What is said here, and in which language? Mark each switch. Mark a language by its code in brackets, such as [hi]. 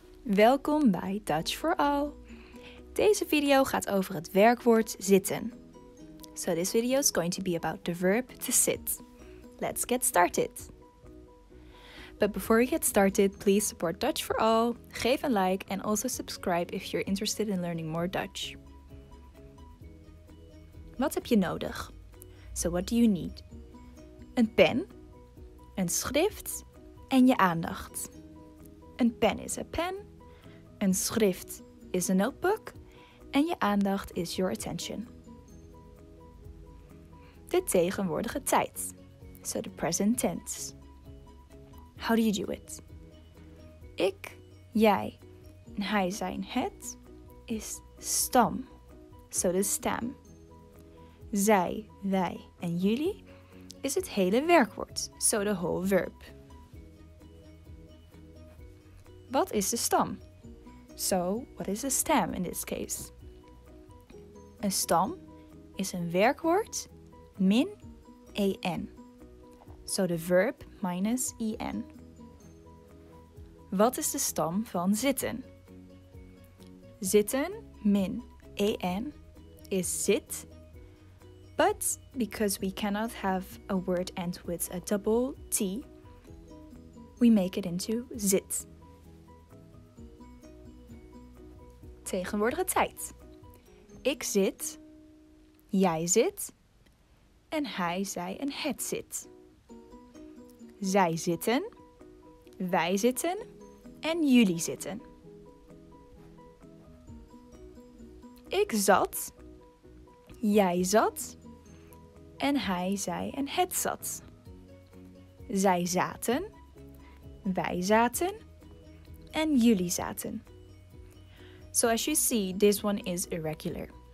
[nl] Welkom bij Dutch for All. Deze video gaat over het werkwoord zitten. [en] So this video is going to be about the verb to sit. Let's get started. But before we get started, please support Dutch for All. [nl] Geef een like [en] and also subscribe if you're interested in learning more Dutch. [nl] Wat heb je nodig? [en] So what do you need? [nl] Een pen, een schrift en je aandacht. Een pen [en] is a pen, [nl] een schrift [en] is a notebook [nl] en je aandacht [en] is your attention. [nl] De tegenwoordige tijd, [en] so the present tense. How do you do it? [nl] Ik, jij en hij zijn het is stam, [en] so the stem. [nl] Zij, wij en jullie is het hele werkwoord, [en] so the whole verb. [nl] Wat is de stam? [en] So, what is a stem in this case? [nl] Een stam is een werkwoord min en. [en] So, the verb minus en. [nl] Wat is de stam van zitten? Zitten min en is zit. [en] But, because we cannot have a word end with a double t, we make it into zit. [nl] Tegenwoordige tijd. Ik zit, jij zit en hij, zij en het zit. Zij zitten, wij zitten en jullie zitten. Ik zat, jij zat en hij, zij en het zat. Zij zaten, wij zaten en jullie zaten. [en] So as you see, this one is irregular.